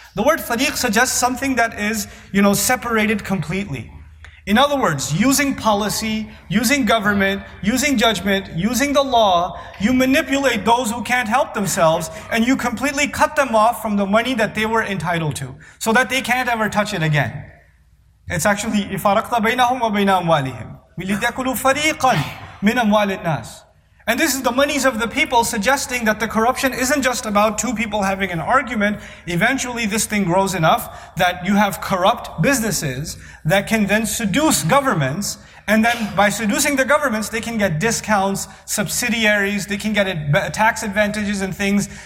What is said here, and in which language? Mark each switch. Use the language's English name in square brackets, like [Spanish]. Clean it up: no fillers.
[English] The word fariq suggests something that is, you know, separated completely. In other words, using policy, using government, using judgment, using the law, you manipulate those who can't help themselves and you completely cut them off from the money that they were entitled to so that they can't ever touch it again. It's actually, [Arabic] فَرَقْتَ بَيْنَهُمْ وَبَيْنَ أَمْوَالِهِمْ وَلِتَأْكُلُوا فَرِيقًا مِّنْ أَمْوَالِ النَّاسِ. [English] And this is the monies of the people, suggesting that the corruption isn't just about two people having an argument. Eventually, this thing grows enough that you have corrupt businesses that can then seduce governments. And then by seducing the governments, they can get discounts, subsidiaries, they can get tax advantages and things.